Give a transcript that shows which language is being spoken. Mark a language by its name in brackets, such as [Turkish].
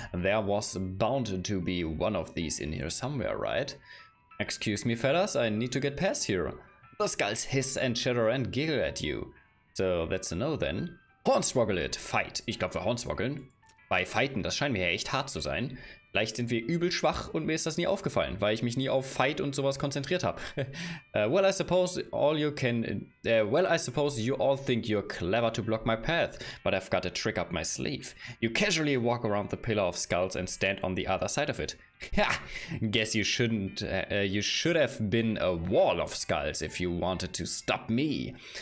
[English] There was bound to be one of these in here somewhere, right? Excuse me, fellas, I need to get past here. The skulls hiss and chatter and giggle at you. So, that's a no then. Hornswoggle it, fight. [German] Ich glaube, wir hornswoggeln. Bei fighten, das scheint mir ja echt hart zu sein. Vielleicht sind wir übel schwach und mir ist das nie aufgefallen, weil ich mich nie auf fight und sowas konzentriert habe. [English] well, I suppose you all think you're clever to block my path, but I've got a trick up my sleeve. You casually walk around the pillar of skulls and stand on the other side of it. Ha! Guess you shouldn't. You should have been a wall of skulls if you wanted to stop me.